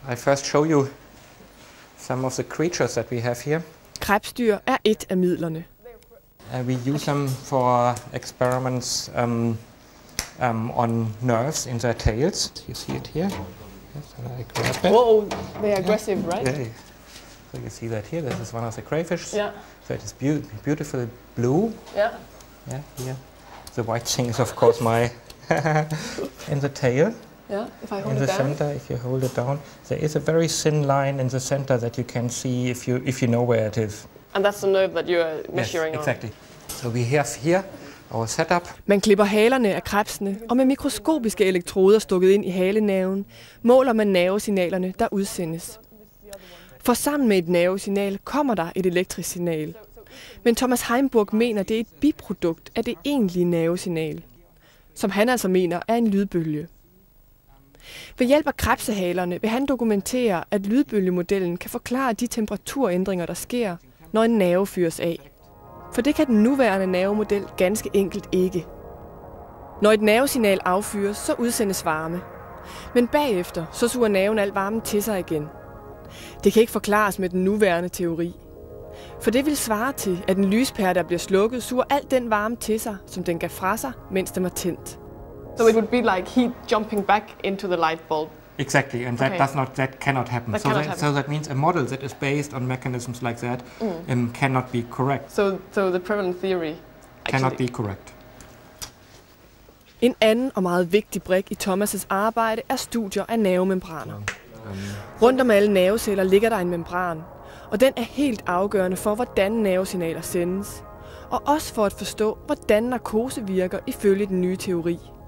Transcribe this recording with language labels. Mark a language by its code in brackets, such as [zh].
[en] I first show you some of the creatures that we have here. [da] Krebsdyr er et af midlerne. [en] We use them for experiments on nerves in their tails. You see it here. Yes, and I grab it. Whoa, they're aggressive, right? Yeah. So you see that here. This is one of the crayfish. Yeah. So it is beautiful blue. Yeah. Yeah. Yeah. The white thing is, of course, my in the tail. Yeah. If I hold it down. In the center, if you hold it down, there is a very thin line in the center that you can see if you know where it is. And that's the nerve that you're measuring. Yes, exactly. So we have here our setup. [da] Man klipper halerne af krebsene, og med mikroskopiske elektroder stukket ind i halenerven, måler man nervesignalerne, der udsendes. For sammen med et nervesignal kommer der et elektrisk signal. Men Thomas Heimburg mener, det er et biprodukt af det egentlige nervesignal, som han altså mener er en lydbølge. Ved hjælp af krebsehalerne vil han dokumentere, at lydbølgemodellen kan forklare de temperaturændringer, der sker, når en nerve fyres af. For det kan den nuværende nervemodel ganske enkelt ikke. Når et nervesignal affyres, så udsendes varme. Men bagefter, så suger nerven al varmen til sig igen. Det kan ikke forklares med den nuværende teori. For det vil svare til, at en lyspære, der bliver slukket, suger al den varme til sig, som den gav fra sig, mens den var tændt. [en] So it would be like heat jumping back into the light bulb. Exactly, and that okay. does not happen. That so cannot happen. So that means a model that is based on mechanisms like that cannot be correct. So the prevalent theory cannot be correct. [da] En anden og meget vigtig brik i Thomas' arbejde er studier af nervemembraner. Rundt om alle nerveceller ligger der en membran, og den er helt afgørende for, hvordan nervesignaler sendes, og også for at forstå, hvordan narkose virker ifølge den nye teori.